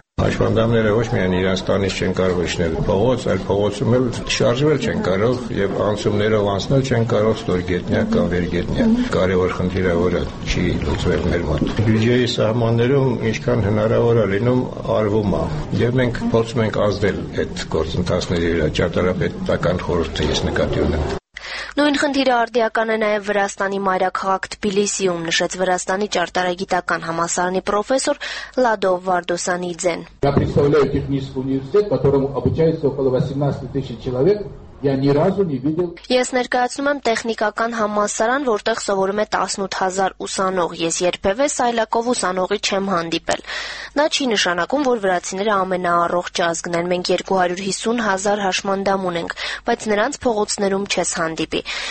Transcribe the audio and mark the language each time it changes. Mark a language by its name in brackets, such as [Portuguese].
[Armenian] Հաշվանդամները ոչ միայն իրենց տանից չեն կարող իջնել փողոց, այլ փողոցում էլ շարժվել չեն կարող եւ անցումներով անցնել չեն կարող ստորգետնյա կամ վերգետնյա։ Կարևոր խնդիրը, որը չի լուծվել մեր մոտ, բյուջեի սահմաններում ինչքան հնարավոր է լինում արվում է, եւ մենք փորձում ենք ազդել այդ գործընթացների վրա ճարտարապետական խորհրդը ես նկատի ունեմ։ Նույն խնդիրը արդիական է նաև Վրաստանի մայրաքաղաք Թբիլիսիում, նշեց Վրաստանի ճարտարագիտական համալսարանի պրոֆեսոր Լադո Վարդոսանիձեն։ [Russian] Я представляю технический университет, в котором обучается около 18000 человек. [Armenian] Ես ներկայացնում եմ տեխնիկական համալսարան, որտեղ սովորում է 18000 ուսանող։ Ես երբևէ սայլակով ուսանողի չեմ հանդիպել։ Դա չի նշանակում, որ վրացիները ամենաառողջ ազգն են, մենք 250000 հաշմանդամ ունենք, բայց նրանց փողոցներում չես հանդիպի։